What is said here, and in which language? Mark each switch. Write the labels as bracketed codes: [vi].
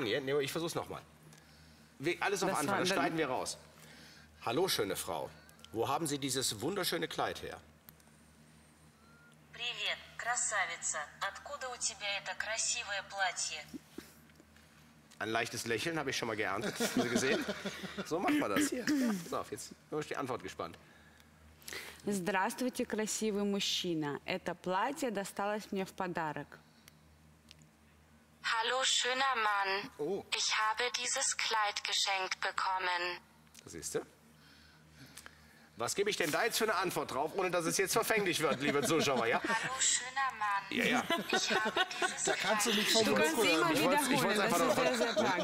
[de] Nee, ich versuch's nochmal. Alles auf Anfang, dann schneiden wir raus. Hallo, schöne Frau. Wo haben Sie dieses wunderschöne Kleid her? [ru] Привет, красавица. Откуда у тебя это красивое платье? [de] Ein leichtes Lächeln habe ich schon mal geerntet. Haben Sie gesehen? So macht man das hier. So, jetzt bin ich die Antwort gespannt. [ru] Здравствуйте, красивый мужчина. Это платье досталось мне в подарок. [de] Hallo, schöner Mann. Oh. Ich habe dieses Kleid geschenkt bekommen. Das siehst du. Was gebe ich denn da jetzt für eine Antwort drauf, ohne dass es jetzt verfänglich wird, liebe Zuschauer? Ja? Hallo, schöner Mann. Ja, ja. Ich habe dieses Kleid. Da kannst du nicht vom Russen hören. Ich wollte einfach